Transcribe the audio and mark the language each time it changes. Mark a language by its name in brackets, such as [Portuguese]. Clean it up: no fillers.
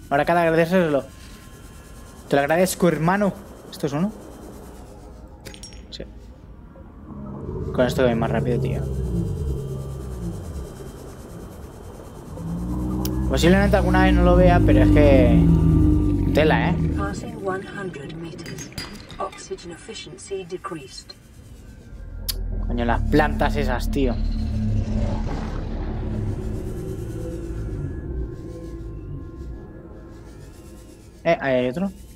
[Spanish] Ahora cada agradecérselo. Te lo agradezco, hermano. ¿Esto es uno? Sí. Con esto voy más rápido, tío. Posiblemente alguna vez no lo vea, pero es que tela, ¿eh? [English] Passing 100 meters. Oxygen efficiency decreased. [Spanish] Coño, las plantas esas, tío. Ahí hay otro.